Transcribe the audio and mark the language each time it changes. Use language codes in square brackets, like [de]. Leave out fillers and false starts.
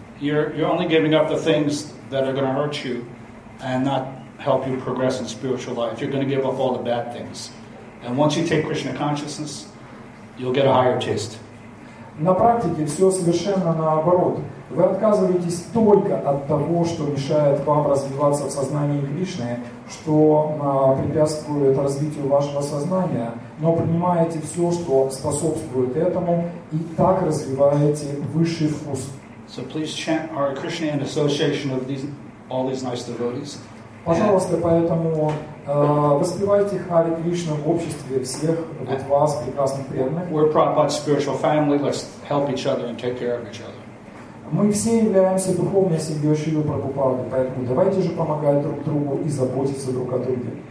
[en] You're only giving up the things that are going to hurt you and not help you progress in spiritual life. You're going to give up all the bad things. And once you take Krishna consciousness, you'll get a higher taste. [ru] На практике все совершенно наоборот. Вы отказываетесь только от того, что мешает вам развиваться в сознании Кришны, что препятствует развитию вашего сознания, но принимаете все, что способствует этому, и так развиваете высший вкус. [en] So please chant Hare Krishna in association of all these nice devotees. [ru] Пожалуйста, поэтому воспевайте Харе Кришна в обществе всех вот вас, прекрасных преданных. [en] We're Prabhupada's spiritual family. Let's help each other and take care of each other. [ru] Мы все являемся духовной семьей Шрилы Прабхупады, поэтому давайте же помогать друг другу и заботиться друг о друге.